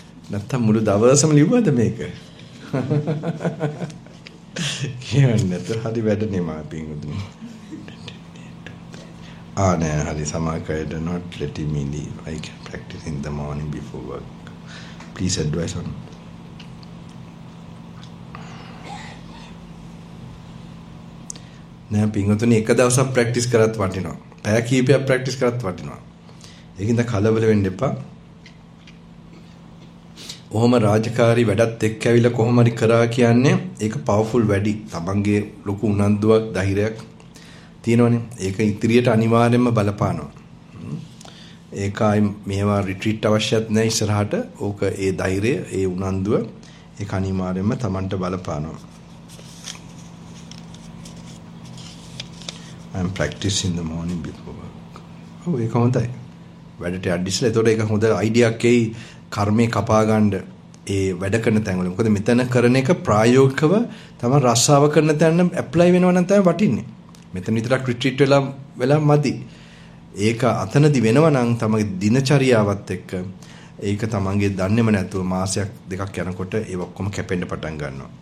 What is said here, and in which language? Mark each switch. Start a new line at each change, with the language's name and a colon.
Sinhala: නැත්නම් මුළු දවසම ලියුවද මේක? කියන්නේ නැතර හරි වැඩ නෙමෙයි පින්දුනි. ආ නෑ හරි සමාකයට
English: not letting me leave. I can practice in the morning before work. Please advise on.
Sinhala: නෑ පින්දුනි එක දවසක් ප්‍රැක්ටිස් කරත් වටිනවා. පැය කීපයක් ප්‍රැක්ටිස් කරත් වටිනවා. ඒකින්ද කලබල වෙන්න එපා. ඔහොම රාජකාරී වැඩත් එක්ක ඇවිල්ලා කොහොම හරි කරා කියන්නේ ඒක පවර්ෆුල් වැඩි. තමන්ගේ ලොකු උනන්දුවක් ධෛර්යයක් තියෙනවනේ. ඒක ඉදිරියට අනිවාර්යයෙන්ම බලපානවා. ඒකයි මේවා රිට්‍රීට් අවශ්‍යත් නැහැ ඉස්සරහට. ඕක ඒ ධෛර්යය ඒ උනන්දුව ඒක අනිවාර්යයෙන්ම තමන්ට බලපානවා.
English: I'm practicing in the morning before work.
Sinhala: Oh, ඒක හොඳයි. වැඩට ඇඩ්ඩිස්ලා එතකොට ඒක හොඳ අයිඩියාක් එයි කර්මේ කපා ගන්න ඒ වැඩ කරන තැන්වල. මොකද මෙතන කරන එක ප්‍රායෝගිකව තමයි රස්සාව කරන තැන්න ඇප්ලයි වෙනවා නම් තමයි වටින්නේ. මෙතන විතරක් රිට්‍රීට් වෙලා මදි. ඒක අතනදි වෙනවා නම් තමයි දිනචරියාවත් එක්ක ඒක තමන්ගේ දන්නේම නැතුව මාසයක් දෙකක් යනකොට ඒ ඔක්කොම කැපෙන්න පටන් ගන්නවා.